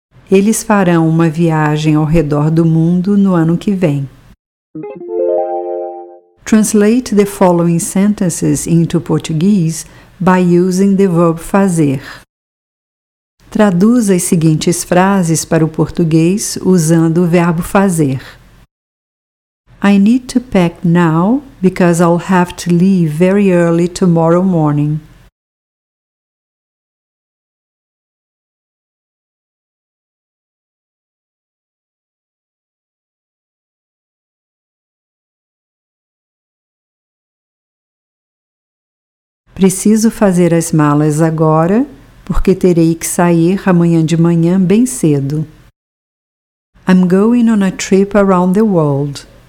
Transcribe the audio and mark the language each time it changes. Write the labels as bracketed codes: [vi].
[pt] Eles farão uma viagem ao redor do mundo no ano que vem. [en] Translate the following sentences into Portuguese by using the verb fazer. [pt] Traduza as seguintes frases para o português usando o verbo fazer. [en] I need to pack now because I'll have to leave very early tomorrow morning. [pt] Preciso fazer as malas agora, porque terei que sair amanhã de manhã bem cedo. [en] I'm going on a trip around the world.